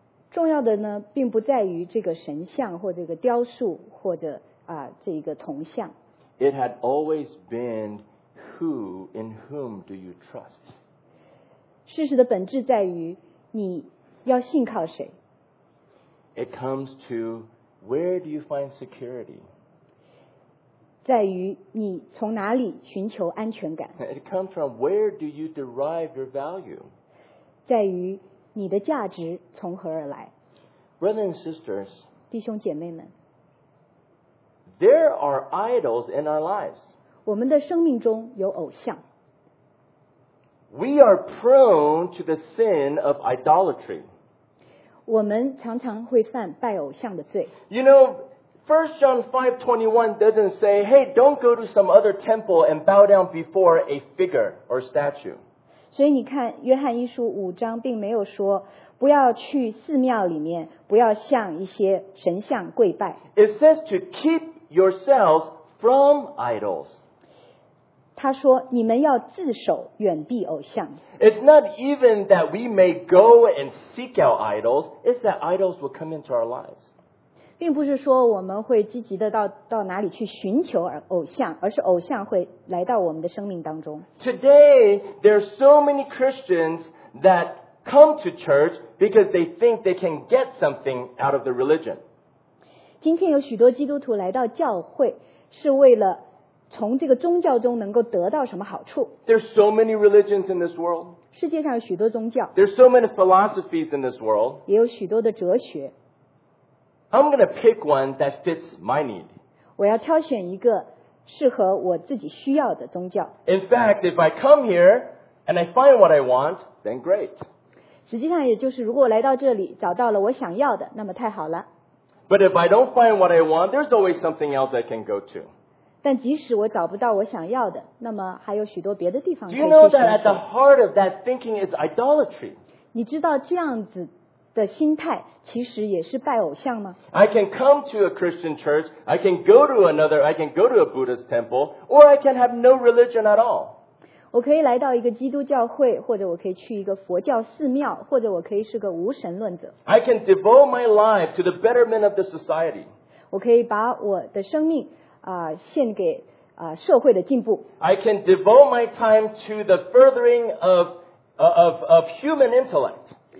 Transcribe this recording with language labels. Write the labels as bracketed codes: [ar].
[zh] 重要的呢，并不在于这个神像或这个雕塑或者这一个铜像。 [en] It had always been who in whom do you trust? [zh] 事实的本质在于你要信靠谁。 [en] It comes to Where do you find security? [zh] 在于你从哪里寻求安全感。 [en] It comes from where do you derive your value? [zh] 在于你的价值从何而来。 [en] Brothers and sisters, [zh] 弟兄姐妹们， [en] there are idols in our lives. [zh] 我们的生命中有偶像。 [en] We are prone to the sin of idolatry. [zh] 我们常常会犯拜偶像的罪。 [en] You know, 1 John 5:21 doesn't say, hey, don't go to some other temple and bow down before a figure or statue. [zh] 所以你看，约翰一书五章并没有说，不要去寺庙里面，不要向一些神像跪拜。 [en] It says to keep yourselves from idols. [zh] 他说你们要自守，远避偶像。 [en] It's not even that we may go and seek out idols, it's that idols will come into our lives. [zh] 并不是说我们会积极的到哪里去寻求偶像，而是偶像会来到我们的生命当中。 [en] Today, there are so many Christians that come to church because they think they can get something out of the religion. [zh] 今天有许多基督徒来到教会是为了从这个宗教中能够得到什么好处。 [en] There's so many religions in this world. [zh] 世界上有许多宗教。 [en] There's so many philosophies in this world. [zh] 也有许多的哲学。 [en] I'm going to pick one that fits my need. [zh] 我要挑选一个适合我自己需要的宗教。 [en] In fact, if I come here and I find what I want, then great. [zh] 实际上也就是如果我来到这里找到了我想要的，那么太好了。 [en] But if I don't find what I want, there's always something else I can go to. [zh] 但即使我找不到我想要的，那么还有许多别的地方可以去寻求。 [en] Do you know that at the heart of that thinking is idolatry? [zh] 你知道这样子的心态其实也是拜偶像吗？ [en] I can come to a Christian church, I can go to another, I can go to a Buddhist temple, or I can have no religion at all. [zh] 我可以来到一个基督教会，或者我可以去一个佛教寺庙，或者我可以是个无神论者。 [en] I can devote my life to the betterment of the society. [zh] 我可以把我的生命献给社会的进步。 [en] I can devote my time to the furthering of human intellect.